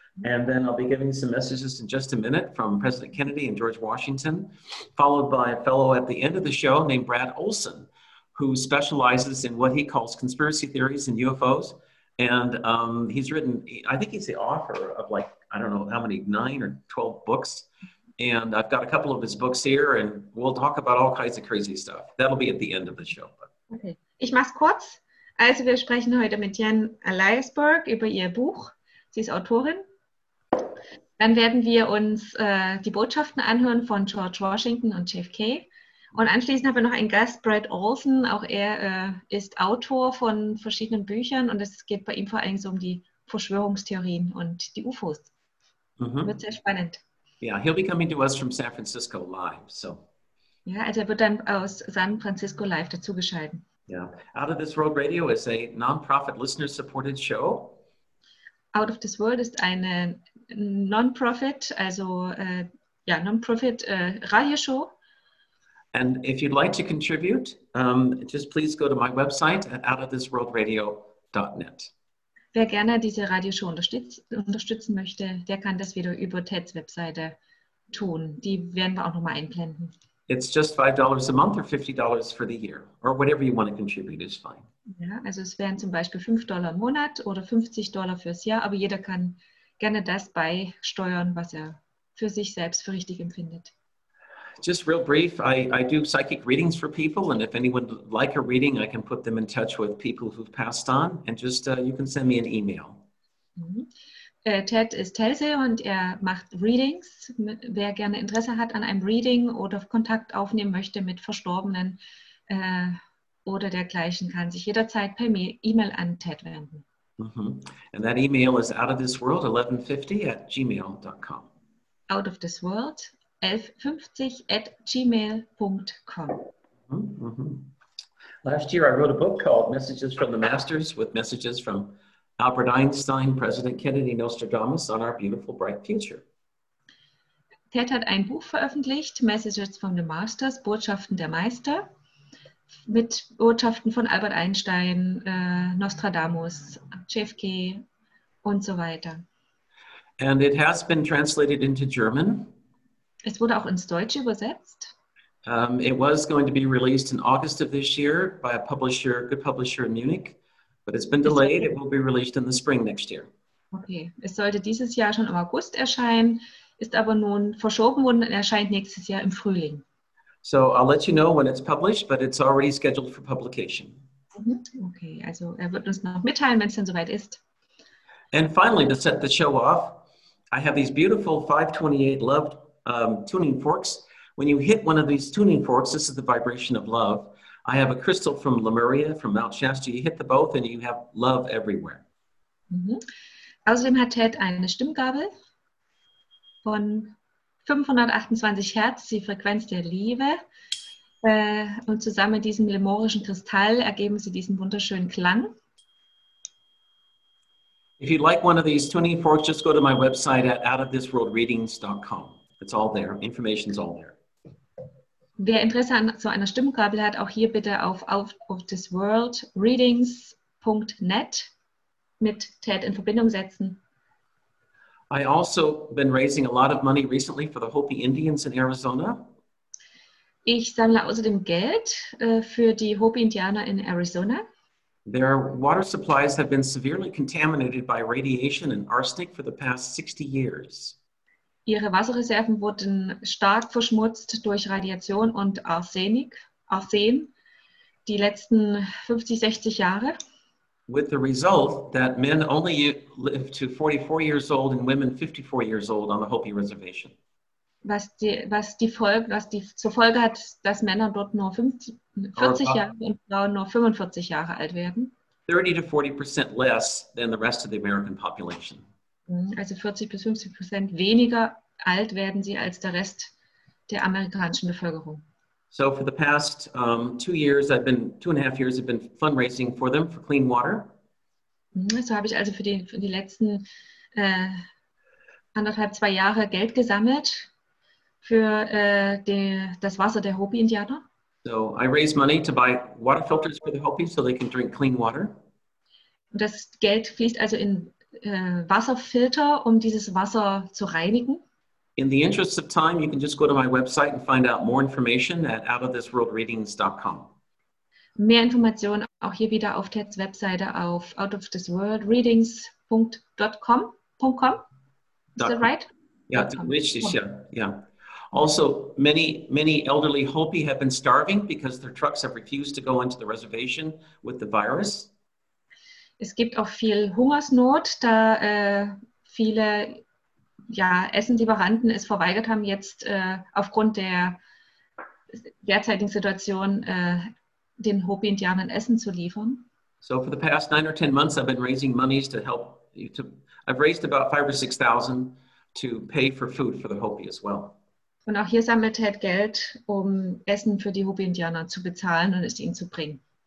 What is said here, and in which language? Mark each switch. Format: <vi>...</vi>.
<en>And then I'll be giving some messages in just a minute from President Kennedy and George Washington, followed by a fellow at the end of the show named Brad Olson, who specializes in what he calls conspiracy theories and UFOs. And he's written, I think he's the author of like, I don't know how many, 9 or 12 books. And I've got a couple of his books here and we'll talk about all kinds of crazy stuff. That'll be at the end of the show.</en> <de>Okay, ich mach's kurz. Also wir sprechen heute mit Jan Eliasberg über ihr Buch. Sie ist Autorin. Dann werden wir uns die Botschaften anhören von George Washington und JFK. Und anschließend haben wir noch einen Gast, Brad Olson. Auch er ist Autor von verschiedenen Büchern und es geht bei ihm vor allem so um die Verschwörungstheorien und die UFOs. Mm-hmm. Wird sehr spannend.</de> <en>Yeah, he'll be coming to us from San Francisco live. So.</en> <de>Ja, also er wird dann aus San Francisco live dazugeschalten.</de> <en>Yeah. Out of This World Radio is a non-profit listener-supported show.</en> <de>Out of This World ist eine non-profit, non-profit Radioshow.</de> <en>And if you'd like to contribute, just please go to my website at outofthisworldradio.net.</en> <de>Wer gerne diese Radioshow unterstützen möchte, der kann das wieder über Teds Webseite tun. Die werden wir auch nochmal einblenden.</de> <en>It's just $5 a month or $50 for the year. Or whatever you want to contribute is fine.</en> <de>Ja, also es wären zum Beispiel $5 im Monat oder $50 fürs Jahr. Aber jeder kann gerne das beisteuern, was er für sich selbst für richtig empfindet.</de> <en>Just real brief, I do psychic readings for people, and if anyone would like a reading, I can put them in touch with people who've passed on, and just you can send me an email.</en> <de>Mm-hmm. Ted ist Hellseher und er macht Readings. Wer gerne Interesse hat an einem Reading oder Kontakt aufnehmen möchte mit Verstorbenen oder dergleichen, kann sich jederzeit per E-Mail an Ted wenden.</de> <en>And that email is outofthisworld1150@gmail.com. outofthisworld1150@gmail.com. Last year, I wrote a book called Messages from the Masters with messages from Albert Einstein, President Kennedy, Nostradamus on our beautiful, bright future.</en> <de>Ted hat ein Buch veröffentlicht, Messages from the Masters, Botschaften der Meister, mit Botschaften von Albert Einstein, Nostradamus, JFK und so weiter.</de> <en>And it has been translated into German.</en> <de>Es wurde auch ins Deutsche übersetzt.</de> <en>It was going to be released in August of this year by a publisher, good publisher in Munich, but it's been delayed. It will be released in the spring next year.</en> <de>Okay, es sollte dieses Jahr schon im August erscheinen, ist aber nun verschoben worden und erscheint nächstes Jahr im Frühling.</de> <en>So I'll let you know when it's published, but it's already scheduled for publication.</en> <de>Okay, also wird uns noch mitteilen, wenn es dann soweit ist.</de> <en>And finally, to set the show off, I have these beautiful 528 loved tuning forks. When you hit one of these tuning forks, this is the vibration of love. I have a crystal from Lemuria, from Mount Shasta. You hit the both and you have love everywhere. Mm-hmm.</en> <de>Außerdem hat Ted eine Stimmgabel von 528 Hertz, die Frequenz der Liebe. Und zusammen mit diesem lemurischen Kristall ergeben sie diesen wunderschönen Klang.</de> <en>If you'd like one of these tuning forks, just go to my website at outofthisworldreadings.com. It's all there. Information's all there.</en> <de>Wer Interesse an so einer Stimmgabel hat, auch hier bitte auf outofthisworldreadings.net mit Ted in Verbindung setzen.</de> <en>I also been raising a lot of money recently for the Hopi Indians in Arizona.</en> <de>Ich sammle außerdem Geld für die Hopi Indianer in Arizona.</de> <en>Their water supplies have been severely contaminated by radiation and arsenic for the past 60 years.</en> <de>Ihre Wasserreserven wurden stark verschmutzt durch Radiation und Arsen die letzten 50, 60 Jahre.</de> <en>With the result that men only live to 44 years old and women 54 years old on the Hopi Reservation.</en> <de>Was die zur Folge hat, dass Männer dort nur 40 Jahre und Frauen nur 45 Jahre alt werden.</de> <en>30-40% less than the rest of the American population.</en> <de>Also 40-50% weniger alt werden sie als der Rest der amerikanischen Bevölkerung.</de> <en>So for the past two and a half years I've been fundraising for them for clean water.</en> <de>So habe ich also für die letzten anderthalb, zwei Jahre Geld gesammelt für das Wasser der Hopi-Indianer.</de> <en>So I raise money to buy water filters for the Hopi so they can drink clean water.</en> <de>Und das Geld fließt also in Wasserfilter, um dieses Wasser zu reinigen.</de> <en>In the interest of time, you can just go to my website and find out more information at outofthisworldreadings.com.</en> <de>Mehr Informationen auch hier wieder auf Teds Webseite auf outofthisworldreadings.com.</de> <en>Is that right?</en> <de>Yeah, richtig, ja. Yeah.</de> <en>Also, many, many elderly Hopi have been starving because their trucks have refused to go into the reservation with the virus.</en> <de>Es gibt auch viel Hungersnot, da viele Essenslieferanten es verweigert haben, jetzt aufgrund der derzeitigen Situation den Hopi-Indianern Essen zu liefern.</de> <en>So for the past 9 or 10 months I've been raising monies to help you to, I've raised about 5,000 or 6,000 to pay for food for the Hopi as well.</en> <de>Und auch hier sammelt Ted Geld, um Essen für die Hopi-Indianer zu bezahlen und es ihnen zu bringen.</de>